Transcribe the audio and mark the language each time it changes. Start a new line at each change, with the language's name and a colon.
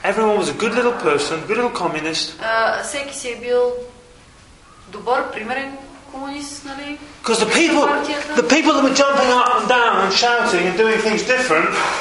English: Everyone was a good little person, good little communist.
Bulgarian: Всеки си е бил добър, примерен комунист, нали?
English: Because the people that were jumping up and down and shouting and doing things different.